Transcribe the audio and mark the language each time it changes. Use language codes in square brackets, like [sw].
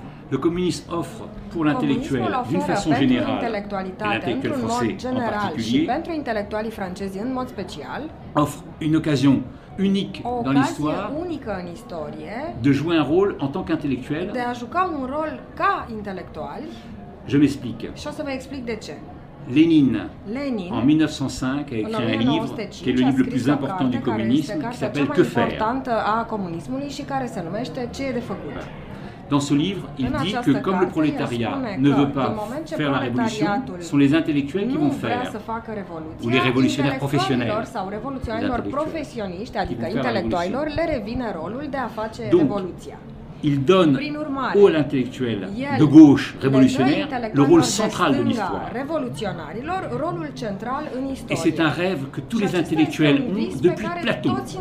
[fr] Le communisme offre pour l'intellectuel, d'une façon générale, et l'intellectuel français en particulier, [ro] pentru intelectualii francezi în mod special, [fr] offre une occasion unique dans l'histoire, [ro] unică în istorie, [fr] de jouer un rôle en tant qu'intellectuel. [ro] De a juca un rol ca intelectual. [fr] Je m'explique. [ro] Și o să vă explic de ce. [fr] Lénine, en 1905, a écrit un livre qui est le livre le plus important du communisme, qui s'appelle Que faire. [ro] A comunismului și care se numește Ce e de făcut. [fr] Dans ce livre, il dit que comme le prolétariat ne veut pas faire la révolution, ce sont les intellectuels qui vont faire, ou les révolutionnaires professionnels. [ro] Sau revoluționarilor profesioniști, adică intelectualilor, le revine rolul de a face revoluția. [fr] Il donne au intellectuel de gauche révolutionnaire le rôle central de l'histoire. Révolutionnaires, rôle central en histoire. Et c'est un rêve que tous les intellectuels ont depuis Platon.